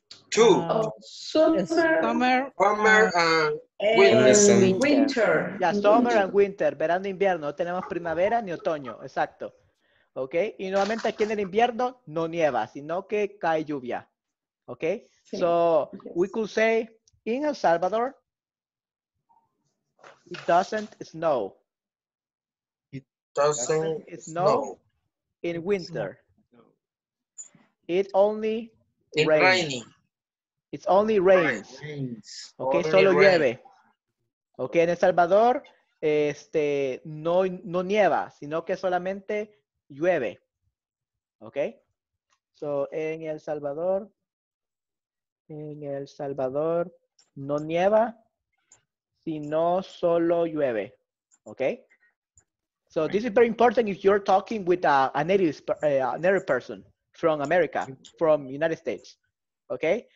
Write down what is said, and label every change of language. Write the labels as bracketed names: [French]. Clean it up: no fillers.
[English] Two. Summer and winter. [Spanish] Ya, [English] yeah, summer and winter, [Spanish] verano e invierno. No tenemos primavera ni otoño, exacto. ¿Ok? Y nuevamente aquí en el invierno no nieva, sino que cae lluvia. ¿Ok? Sí. [English] So we could say, in El Salvador, it doesn't snow. Doesn't snow in winter. It only rains. It's only rains. Okay, only [Spanish] solo llueve. Okay, en El Salvador, no nieva, sino que solamente llueve. Okay. So en El Salvador no nieva, sino solo llueve. [English] Okay. So this is very important if you're talking with a native person from America, from United States, okay?